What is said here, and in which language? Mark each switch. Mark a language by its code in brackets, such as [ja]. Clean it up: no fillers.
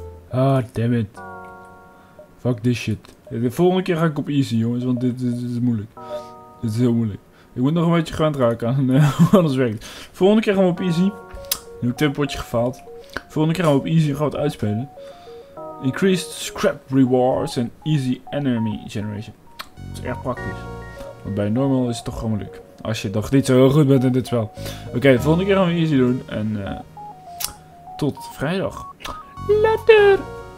[en] Ah, damn it. Fuck this shit. [nl] De volgende keer ga ik op easy, jongens. Want dit is moeilijk. Dit is heel moeilijk. Ik moet nog een beetje gewend raken aan alles werkt. Volgende keer gaan we op easy. Nu heb ik dit potje gefaald. Volgende keer gaan we op easy gaan we het uitspelen. [en] Increased scrap rewards and easy enemy generation. [nl] Dat is erg praktisch. Want bij normal is het toch gewoon moeilijk. Als je toch niet zo heel goed bent in dit spel. Oké, volgende keer gaan we easy doen. En tot vrijdag. Later!